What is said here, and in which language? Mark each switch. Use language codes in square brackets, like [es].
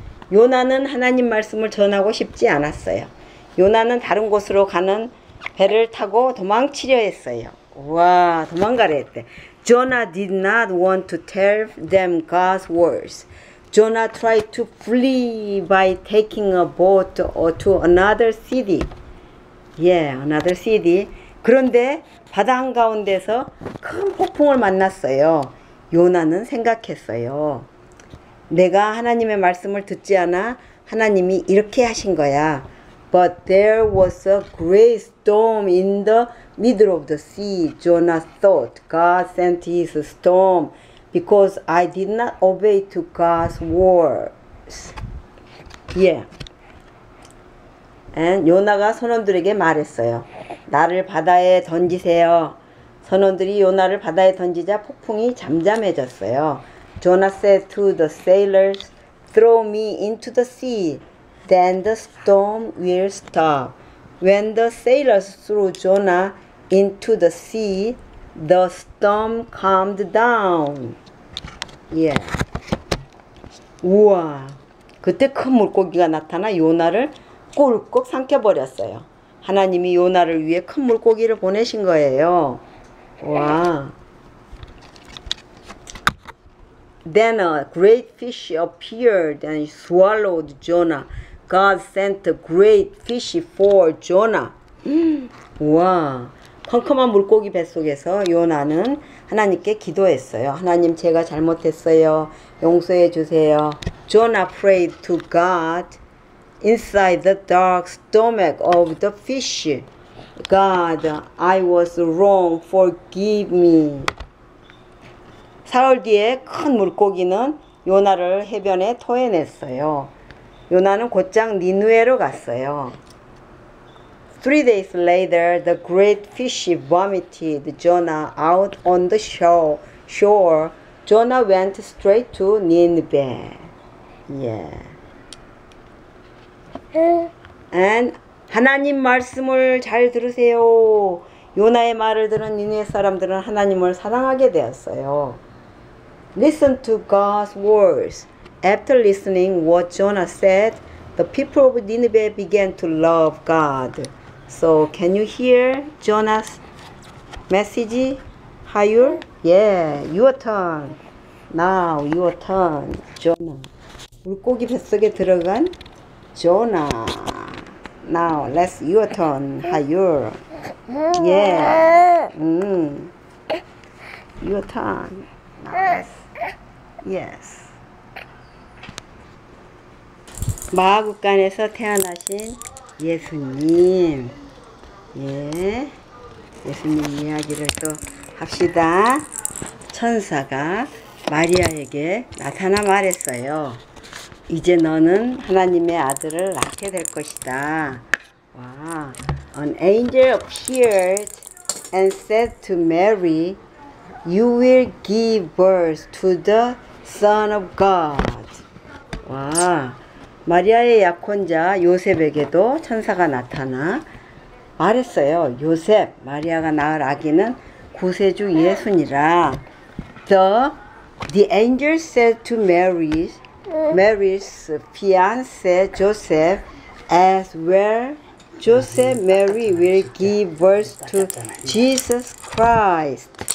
[ko] 요나는 하나님 말씀을 전하고 싶지 않았어요. 요나는 다른 곳으로 가는 배를 타고 도망치려 했어요. 와, 도망가려 했대. [en] Jonah did not want to tell them God's words. Jonah tried to flee by taking a boat or to another city. Yeah, another city. [ko] 그런데 바다 한가운데서 큰 폭풍을 만났어요. 요나는 생각했어요. 내가 하나님의 말씀을 듣지 않아 하나님이 이렇게 하신 거야. [en] But there was a great storm in the middle of the sea. Jonah thought God sent his storm because I did not obey to God's words. Yeah. [ko] And 요나가 선원들에게 말했어요. 나를 바다에 던지세요. 선원들이 요나를 바다에 던지자 폭풍이 잠잠해졌어요. [en] Jonah said to the sailors, throw me into the sea. Then the storm will stop. When the sailors threw Jonah into the sea, the storm calmed down. [ko] Yeah. 우와. 그때 큰 물고기가 나타나 요나를 꿀꺽 삼켜버렸어요. 하나님이 요나를 위해 큰 물고기를 보내신 거예요. 우와. [en] Then a great fish appeared and swallowed Jonah. God sent a great fish for Jonah. [ko] 우와, 컴컴한 물고기 뱃속에서 요나는 하나님께 기도했어요. 하나님, 제가 잘못했어요. 용서해 주세요. [en] Jonah prayed to God inside the dark stomach of the fish. God, I was wrong. Forgive me. [ko] 사흘 뒤에 큰 물고기는 요나를 해변에 토해냈어요. 요나는 곧장 니느웨로 갔어요. [en] Three days later, the great fish vomited Jonah out on the shore. Jonah went straight to Nineveh. [ko] Yeah. And 하나님 말씀을 잘 들으세요. 요나의 말을 들은 니느웨 사람들은 하나님을 사랑하게 되었어요. [en] Listen to God's words. After listening what Jonah said, the people of Nineveh began to love God. So, can you hear Jonah's message? Hayul? Yeah, your turn. Now, your turn, Jonah. [ko] 물고기 뱃속에 들어간 [en] Jonah. Now, let's your turn, Hayul. Yeah. Mm. Your turn. Nice. Yes. [ko] 마하국간에서 태어나신 예수님. 예. 예수님 이야기를 또 합시다. 천사가 마리아에게 나타나 말했어요. 이제 너는 하나님의 아들을 낳게 될 것이다. 와. [en] An angel appeared and said to Mary, You will give birth to the Son of God. [ko] 와. 마리아의 약혼자 요셉에게도 천사가 나타나 말했어요. 요셉, 마리아가 낳을 아기는 구세주 예수니라. [en] The The angel said to Mary, Mary's fiancé Joseph, as well, Joseph, Mary will give birth to Jesus Christ.